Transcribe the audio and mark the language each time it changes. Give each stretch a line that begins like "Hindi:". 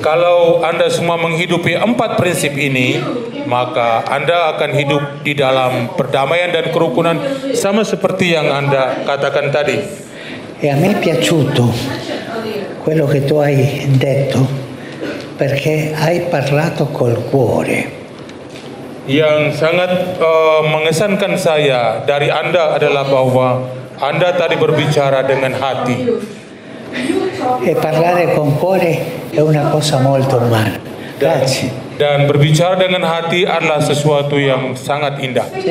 Indonesian: Kalau Anda semua menghidupi empat prinsip ini, maka Anda akan hidup di dalam perdamaian dan kerukunan sama seperti yang Anda katakan tadi.
Italian: E a me è piaciuto quello che tu hai detto, perché hai parlato col cuore.
Indonesian: Yang sangat mengesankan saya dari Anda adalah bahwa Anda tadi berbicara dengan hati.
Italian: E parlare con cuore è una cosa molto umana. Grazie.
Indonesian: Dan berbicara dengan hati adalah sesuatu yang sangat indah.